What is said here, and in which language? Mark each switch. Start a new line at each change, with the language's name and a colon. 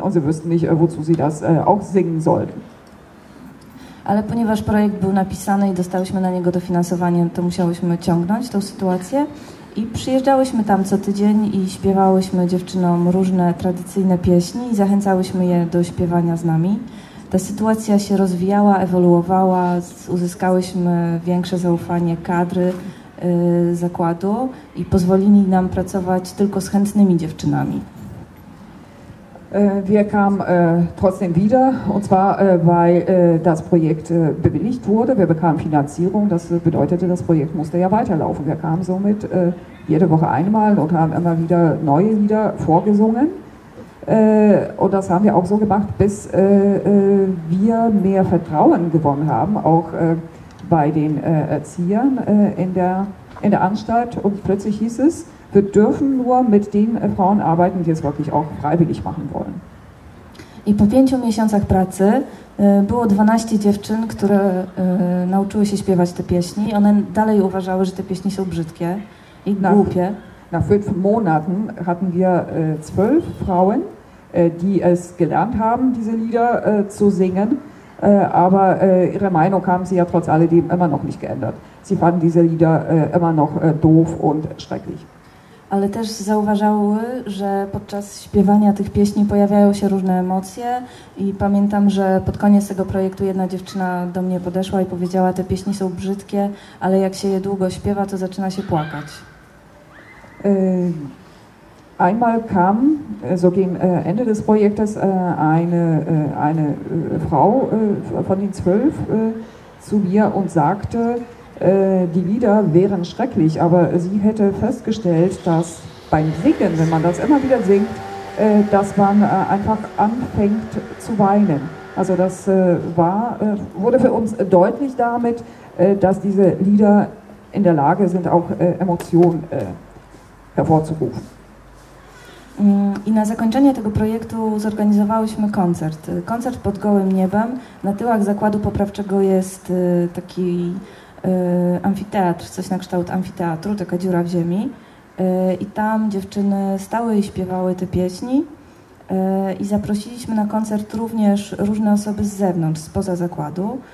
German: Und sie wüssten nicht, wozu sie das auch singen sollten.
Polish: Ale ponieważ projekt był napisany i dostałyśmy na niego dofinansowanie, to musiałyśmy ciągnąć tą sytuację i przyjeżdżałyśmy tam co tydzień i śpiewałyśmy dziewczynom różne tradycyjne pieśni i zachęcałyśmy je do śpiewania z nami. Ta sytuacja się rozwijała, ewoluowała, uzyskałyśmy większe zaufanie kadry zakładu i pozwolili nam pracować tylko z chętnymi dziewczynami.
German: Wir kamen trotzdem wieder, und zwar weil das Projekt bewilligt wurde. Wir bekamen Finanzierung, das bedeutete, das Projekt musste ja weiterlaufen. Wir kamen somit jede Woche einmal und haben immer wieder neue Lieder vorgesungen. Und das haben wir auch so gemacht, bis wir mehr Vertrauen gewonnen haben, auch bei den Erziehern in der Anstalt. Und plötzlich hieß es, wir dürfen nur mit den Frauen arbeiten, die es wirklich auch freiwillig machen wollen.
Polish: I po 5 miesiącach pracy było 12 dziewczyn, które nauczyły się śpiewać te pieśni. One dalej uważały, że te pieśni są brzydkie i głupie.
German: Nach 5 Monaten hatten wir 12 Frauen, die es gelernt haben, diese Lieder zu singen, aber ihre Meinung haben sie ja trotz alledem immer noch nicht geändert. Sie fanden diese Lieder immer noch doof und schrecklich.
Polish: Ale też zauważały, że podczas śpiewania tych pieśni pojawiają się różne emocje i pamiętam, że pod koniec tego projektu jedna dziewczyna do mnie podeszła i powiedziała, te pieśni są brzydkie, ale jak się je długo śpiewa, to zaczyna się płakać.
German: Einmal kam, so gegen Ende des Projektes, eine Frau von den 12 zu mir und sagte, die Lieder wären schrecklich, aber sie hätte festgestellt, dass beim Singen, wenn man das immer wieder singt, dass man einfach anfängt zu weinen. Also das wurde für uns deutlich damit, dass diese Lieder in der Lage sind, auch Emotionen hervorzurufen.
Polish: I na zakończenie tego projektu zorganizowałyśmy koncert. Koncert pod gołym niebem. Na tyłach zakładu poprawczego jest taki amfiteatr, coś na kształt amfiteatru, taka dziura w ziemi. I tam dziewczyny stały i śpiewały te pieśni. I zaprosiliśmy na koncert również różne osoby z zewnątrz, spoza zakładu.